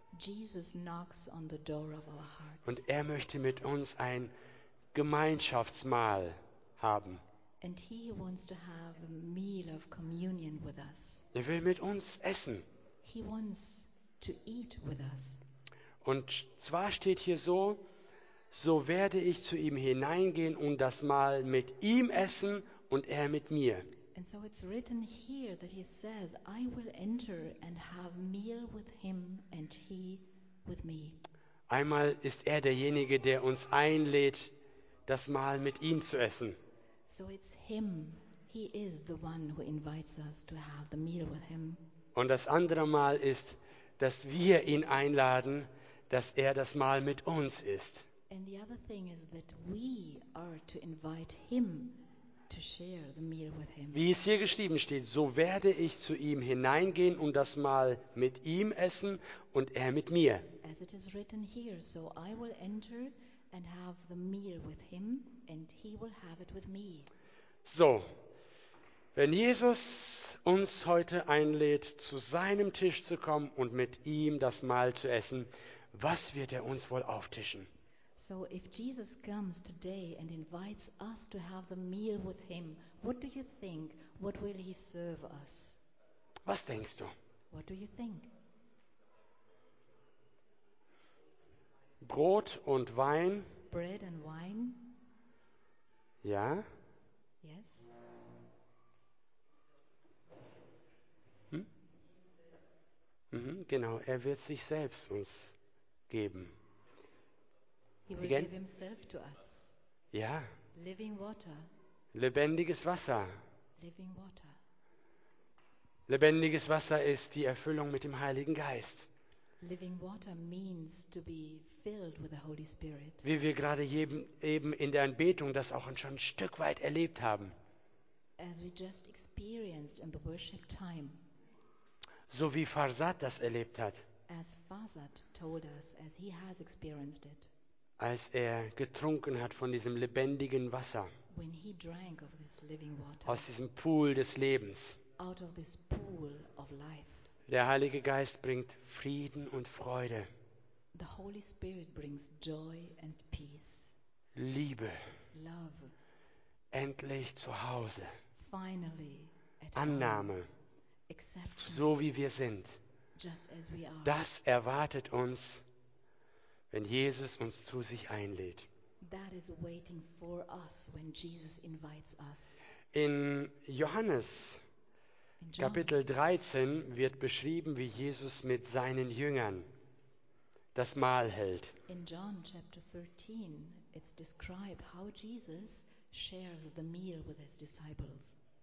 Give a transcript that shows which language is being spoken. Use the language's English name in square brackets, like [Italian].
[English] Jesus knocks on the door of our hearts. [German] Und er möchte mit uns ein Gemeinschaftsmahl haben. [English] And he wants to have a meal of communion with us. [German] Er will mit uns essen. [English] He wants to eat with us. [German] Und zwar steht hier so, so werde ich zu ihm hineingehen und das Mahl mit ihm essen und er mit mir. [English] And so it's written here that he says, I will enter and have meal with him and he with me. [German] Einmal ist er derjenige, der uns einlädt, das Mahl mit ihm zu essen. [English] So it's him. He is the one who invites us to have the meal with him. [German] Und das andere Mal ist, dass wir ihn einladen, dass er das Mahl mit uns isst. [English] And the other thing is that we are to invite him to share the meal with him. [German] Wie es hier geschrieben steht, so werde ich zu ihm hineingehen und das Mahl mit ihm essen und er mit mir. [English] As it is written here, so I will enter and have the meal with him and he will have it with me. [German] So, wenn Jesus uns heute einlädt, zu seinem Tisch zu kommen und mit ihm das Mahl zu essen, was wird er uns wohl auftischen? [English] So, if Jesus comes today and invites us to have the meal with him, what do you think, what will he serve us? [German] Was denkst du? [English] What do you think? [German] Brot und Wein. [English] Bread and wine. [German] Ja. [English] Yes. [German] Genau, er wird sich selbst uns geben. [English] He will give himself to us. [German] Ja. [English] Living water. [German] Lebendiges Wasser. [English] Living water. [German] Lebendiges Wasser ist die Erfüllung mit dem Heiligen Geist. [English] Living water means to be filled with the Holy Spirit. [German] Wie wir gerade eben in der Anbetung das auch schon ein Stück weit erlebt haben. [English] As we just experienced in the worship time. [German] So wie Farsad das erlebt hat. [English] As Farsad told us, as he has experienced it. [German] Als er getrunken hat von diesem lebendigen Wasser. [English] When he drank of this living water. [German] Aus diesem Pool des Lebens. [English] Out of this pool of life. [German] Der Heilige Geist bringt Frieden und Freude. [English] The Holy Spirit brings joy and peace. [German] Liebe. [English] Love. [German] Endlich zu Hause. [English] Finally [German] at Annahme. [English] Accepting. [German] So wie wir sind. [English] Just as we are. [German] Das erwartet uns, wenn Jesus uns zu sich einlädt. [English] That is waiting for us when Jesus invites us. [German] In Johannes Kapitel 13 wird beschrieben, wie Jesus mit seinen Jüngern das Mahl hält. [English] In John chapter 13, it's described how Jesus shares the meal with his disciples.